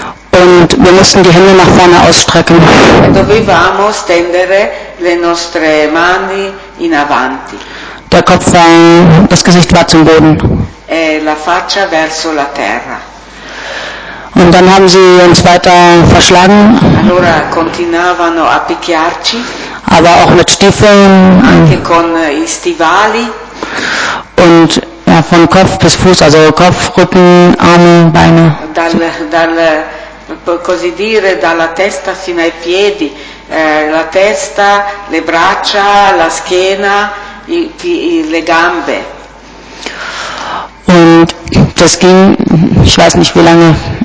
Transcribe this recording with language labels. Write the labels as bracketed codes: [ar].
[de] Und wir mussten die Hände nach vorne ausstrecken. [it] E dovevamo stendere le nostre mani in avanti. [de] Der Kopf war, das Gesicht war zum Boden. [it] E la faccia verso la terra. [de] Und dann haben sie uns weiter verschlagen. [it] Allora continuavano a picchiarci. [de] Aber auch mit Stiefeln. [it] Anche con i stivali. [de] Und ja, von Kopf bis Fuß, also Kopf, Rücken, Arme, Beine. [it] Così dire, dalla testa fino ai piedi, la testa, le braccia, la schiena, le gambe. [de] Und das ging, ich weiß nicht wie lange.